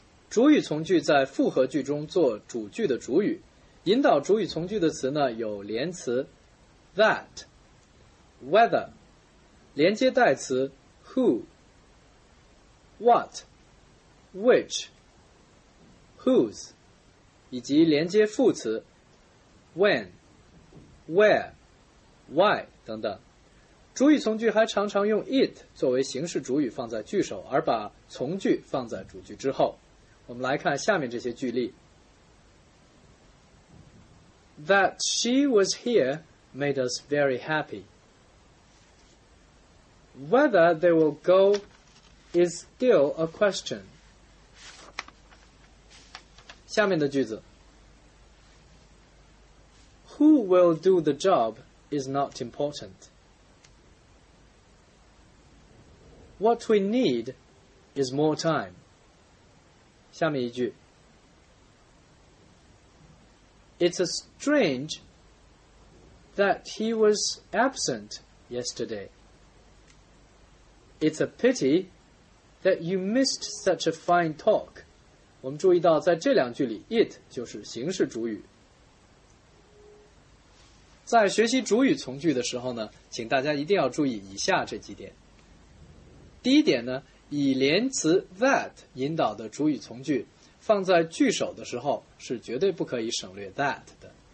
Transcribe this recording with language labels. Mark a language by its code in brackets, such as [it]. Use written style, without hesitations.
[zh] 主语从句在复合句中做主句的主语，引导主语从句的词呢有连词 that、whether、连接代词 who、what、which、whose 以及连接副词when、where、why 等等。主语从句还常常用 it 作为形式主语放在句首，而把从句放在主句之后。我们来看下面这些句例。 [en] That she was here made us very happy. Whether they will go is still a question. [zh] 下面的句子。 [en] Who will do the job is not important. What we need is more time. [zh] 下面一句。 [en] It's a strange that he was absent yesterday. It's a pity that you missed such a fine talk. [zh] 我们注意到在这两句里 it 就是形式主语。在学习主语从句的时候呢，请大家一定要注意以下这几点。第一点呢，以连词 that 引导的主语从句放在句首的时候是绝对不可以省略 that 的。